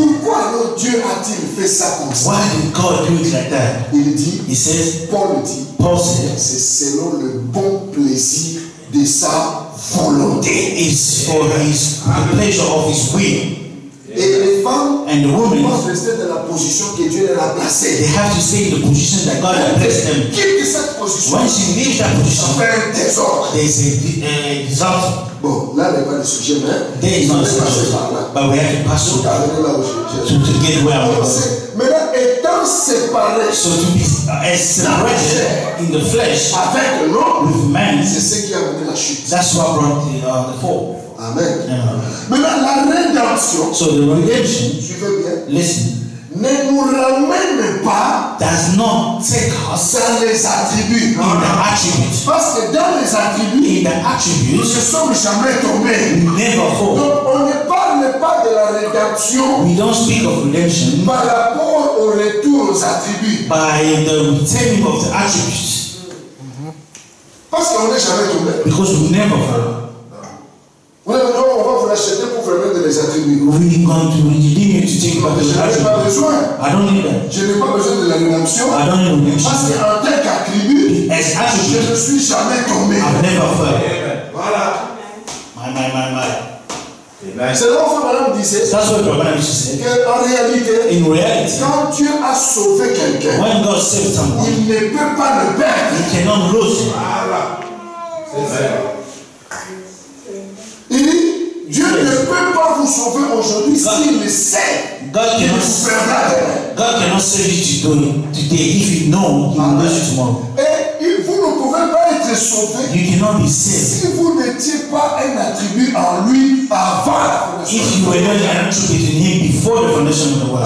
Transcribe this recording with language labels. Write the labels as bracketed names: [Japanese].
[French] Pourquoi alors Dieu a-t-il fait ça comme ça? [English] Why did God do it like that? [French] Il dit, [English] he says, [French] Paul dit, [English] Paul said, [French] c'est selon le bon plaisir de sa volonté. [English] It's for his, the pleasure of his will. [French] Et les femmes, [English] and the women, [French] doivent rester dans la position que Dieu les a placée. [English] They have to stay in the position that God has placed them. [French] Quitte cette position. [English] When she leaves that position, [French] faire un désordre. [English] There's a disaster. [French] Bon, là n'est pas le sujet, mais [English] there is not a subject. But we have to pass through that. [French] Arrêtez là où je veux [English] dire. To get where I want. [French] Maintenant, étant séparé, [English] so to be separated in the flesh, [French] avec l'homme, [English] with man, [French] c'est ce qui a mené la chute. [English] That's what brought the fall. Amen. Amen. [French] Maintenant, la rédemption, [English] so the redemption, [French] suivez bien, [English] listen, [French] ne nous ramène pas, [English] does not take us, [French] dans les attributs, [English] in the attributes, [French] parce que dans les attributs, [English] in the attributes, [French] nous ne sommes jamais tombés, [English] we never fall. [French] Donc on ne parle pas de la rédemption, [English] we don't speak of redemption, [French] par rapport au retour aux attributs, [English] by the returning of the attributes, [French] mm-hmm, parce qu'on n'est jamais tombé, [English] because we never fall. [French] Non, on va vous l'acheter pour vous remettre les attributs. [English] We going to redeem you to take back the [French] attributes. Je n'ai pas besoin. [English] I don't need that. [French] Je n'ai pas besoin de la rédemption. [English] I don't need redemption. [French] Parce qu'en tant qu'attribut, je ne suis jamais tombé. [English] I've never fell. [French] Voilà. My. Amen. C'est là où Abraham disait. [English] That's what Abraham said. [French] En réalité, [English] in reality, [French] quand Dieu a sauvé quelqu'un, [English] when God saved someone, [French] il ne peut pas le perdre. [English] He cannot lose. [French] Voilà. C'est ça. Dieu ne peut pas vous sauver aujourd'hui s'il le sait. [English] God cannot save you today. God cannot save you today if you know he will lose you tomorrow. [French] Et vous ne pouvez pas être sauvé. [English] You cannot be saved. [French] Si vous n'étiez pas un attribut en lui avant. [English] If you were not an attribute in him before the foundation of the world.